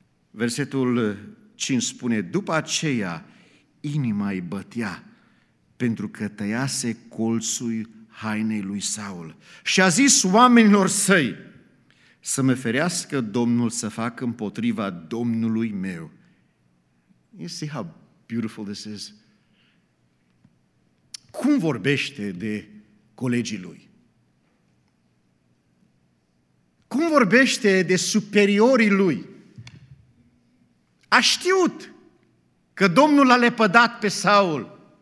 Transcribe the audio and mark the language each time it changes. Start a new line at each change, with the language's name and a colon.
Romanian: Versetul 5 spune, după aceea inima îi bătea pentru că tăiase colțul hainei lui Saul. Și a zis oamenilor săi, să mă ferească Domnul să facă împotriva Domnului meu.
English: You see how beautiful this is?
Romanian: Cum vorbește de colegii lui? Cum vorbește de superiorii lui? A știut că Domnul l-a lepădat pe Saul.